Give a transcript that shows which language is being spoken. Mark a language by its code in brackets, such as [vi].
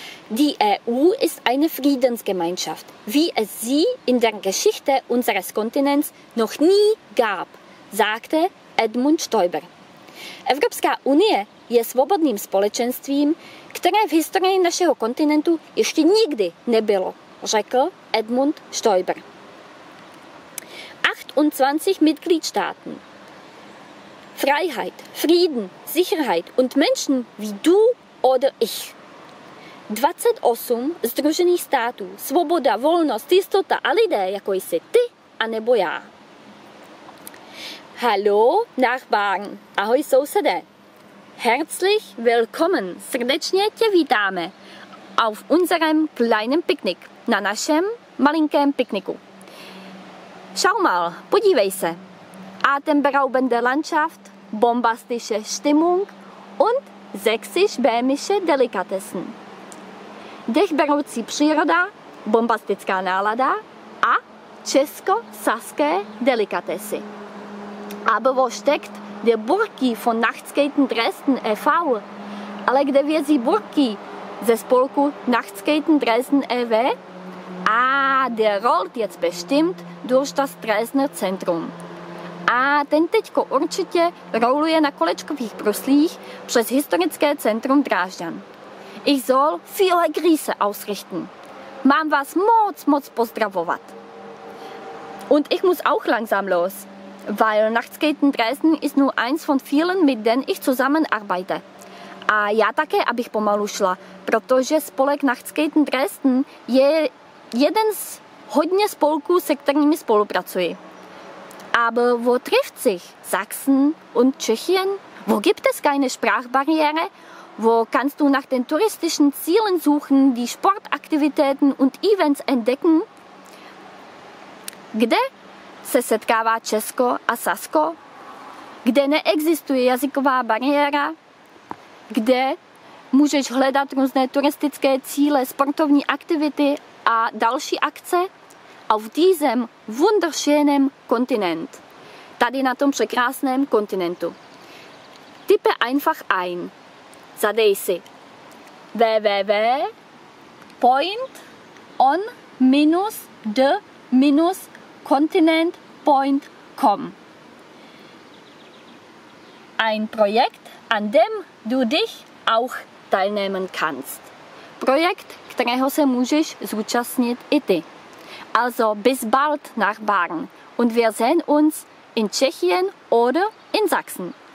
[de] Die EU ist eine Friedensgemeinschaft, wie es sie in der Geschichte unseres Kontinents noch nie gab, sagte Edmund Stoiber. [cs] Evropská unie je svobodným společenstvím, které v historii našeho kontinentu ještě nikdy nebylo, řekl Edmund Stoiber. [de] 28 Mitgliedstaaten. Freiheit, Frieden, Sicherheit und Menschen wie du oder ich. [cs] 28 združených států. Svoboda, volnost, jistota a lidé, jako jsi ty a nebo já. [de] Hallo, Nachbarn. [cs] Ahoj, sousede. [de] Herzlich willkommen. [cs] Srdečně tě vítáme. [de] Auf unserem kleinen Picknick. [cs] Na našem malinkém pikniku. [de] Schau mal, [cs] podívej se. [de] Atemberaubende Landschaft, bombastische Stimmung und sächsisch-bämische Delikatessen. [cs] Dechberoucí příroda, bombastická nálada a česko-saské delikatesy. [de] Aber wo steckt die Burki von Nachtskaten Dresden e.V.? [cs] Ale kde vězí Burki ze spolku Nachtskaten Dresden e.V.? [de] Ah, der rollt jetzt bestimmt durch das Dresdner Zentrum. [cs] A ten teďko určitě rouluje na kolečkových bruslích přes historické centrum Drážďan. [de] Ich soll viele Grüße ausrichten. [cs] Mám vás moc, moc pozdravovat. [de] Und ich muss auch langsam los, weil Nachtskaten Dresden ist nur eins von vielen, mit denen ich zusammenarbeite. [cs] A já také, abych pomalu šla, protože spolek Nachtskaten Dresden je jeden z hodně spolků, se kterými spolupracuji. [de] Aber wo trifft sich Sachsen und Tschechien? Wo gibt es keine Sprachbarriere? Wo kannst du nach den touristischen Zielen suchen, die Sportaktivitäten und Events entdecken? [cs] Kde se setkává Česko a Sasko? Kde neexistuje jazyková bariéra? Kde můžeš hledat různé turistické cíle, sportovní aktivity a další akce? [de] Auf diesem wunderschönen Kontinent. [cs] Tady na tom překrásném kontinentu. [de] Tipe einfach ein. [cs] Zadej si [de] www.on-de-kontinent.com. Ein Projekt, an dem du dich auch teilnehmen kannst. [cs] Projekt, kterého se můžeš zúčastnit i ty. [de] Also bis bald, Nachbarn. Und wir sehen uns in Tschechien oder in Sachsen.